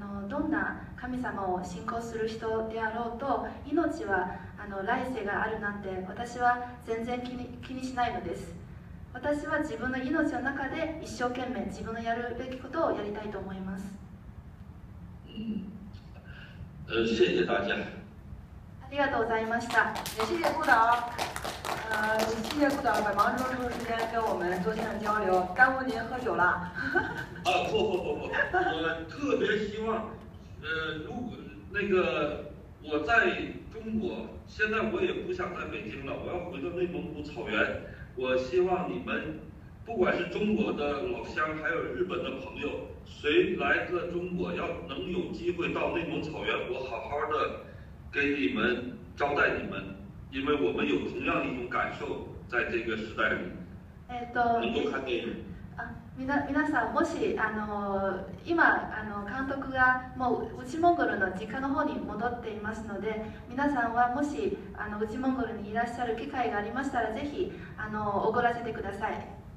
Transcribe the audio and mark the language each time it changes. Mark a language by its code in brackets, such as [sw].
[ja] どんな神様を信仰する人であろうと、命は来世があるなんて私は全然気にしないのです。私は自分の命の中で一生懸命自分のやるべきことをやりたいと思います。 [zh] 谢谢大家。 [ja] ありがとうございました。 [zh] 谢谢顾导。谢谢顾导，百忙中抽时间跟我们做线上交流，耽误您喝酒了。不，我特别希望，如果那个我在中国，现在我也不想在北京了，我要回到内蒙古草原。我希望你们，不管是中国的老乡，还有日本的朋友，谁来了中国，要能有机会到内蒙草原，我好好的给你们招待你们，因为我们有同样的一种感受，在这个时代里，能够看电影。 [ja] 皆さん、もし今監督がもう内モンゴルの実家の方に戻っていますので、皆さんはもし内モンゴルにいらっしゃる機会がありましたら、ぜひおごらせてください。